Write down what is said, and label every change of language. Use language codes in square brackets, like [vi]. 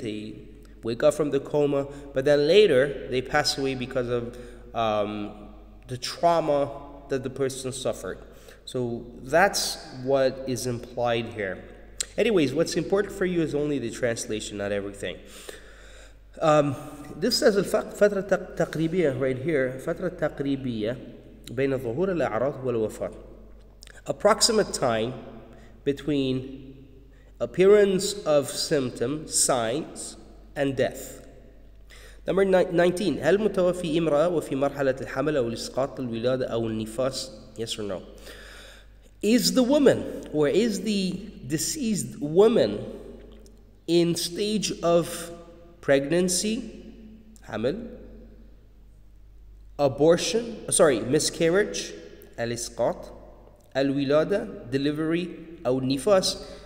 [en] They wake up from the coma. But then later, they pass away because of the trauma that the person suffered. So that's what is implied here. Anyways, what's important for you is only the translation, not everything. This says [ar] فترة تقريبية [en] right here. [ar] فترة تقريبية بين ظهور الأعراض والوفاة. [en] Approximate time between appearance of symptoms, signs, and death. Number 19. [ar] هل متوفي امرأة وفي مرحلة الحمل أو الإسقاط الولادة أو النفاس? [en] Yes or no? Is the woman, or is the deceased woman, in stage of pregnancy, hamil, abortion, sorry, miscarriage, [ar] al-isqat, al-wilada, [en] delivery, or nifas?